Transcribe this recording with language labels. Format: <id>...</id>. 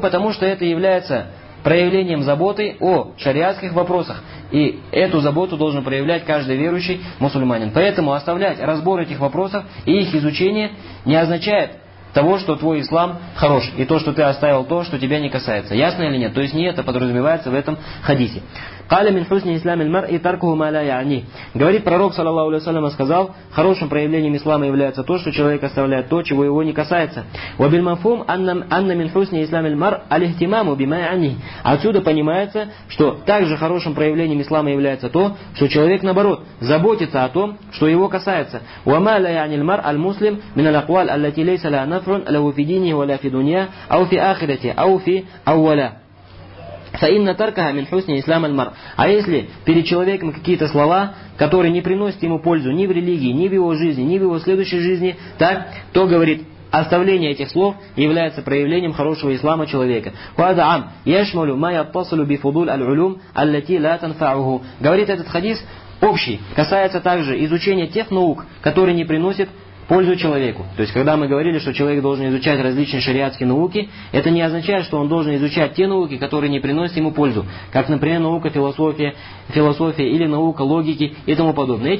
<ru>Потому что это является проявлением заботы о шариатских вопросах. И эту заботу должен проявлять каждый верующий мусульманин. Поэтому оставлять разбор этих вопросов и их изучение не означает того, что твой ислам хорош, и то, что ты оставил то, что тебя не касается. Ясно или нет? То есть не это подразумевается в этом хадисе.</ru> <ar>قال من حسن اسلام المرء تركه ما لا يعنيه.</ar> <ru>Говорит пророк, саллаллаху алейхи ва саллям, сказал, хорошим проявлением ислама является то, что человек оставляет то, чего его не касается.</ru> <ar>وبال مفهوم ان من حسن اسلام المرء الاهتمام بما يعنيه.</ar> <ru>Отсюда понимается, что также хорошим проявлением ислама является то, что человек наоборот заботится о том, что его касается.</ru> <ar>وما لا يعني المرء المسلم من الاقوال التي ليس لها نفع له في دينه ولا في دنياه او في اخرته او في اوله. فَإِنَّ تَرْكَهَا مِنْ حُسْنِ إِسْلَامَ الْمَرْءِ.</ar> <ru>А если перед человеком какие-то слова, которые не приносят ему пользу ни в религии, ни в его жизни, ни в его следующей жизни, так, то, говорит, оставление этих слов является проявлением хорошего ислама человека.</ru> <ar>هذا عام يشمل ما يتصل بفضول العلوم التي لا تنفعه.</ar> <ru>Говорит этот хадис общий, касается также изучения тех наук, которые не приносят пользу человеку. То есть, когда мы говорили, что человек должен изучать различные шариатские науки, это не означает, что он должен изучать те науки, которые не приносят ему пользу. Как, например, наука философия или наука логики и тому подобное.</ru>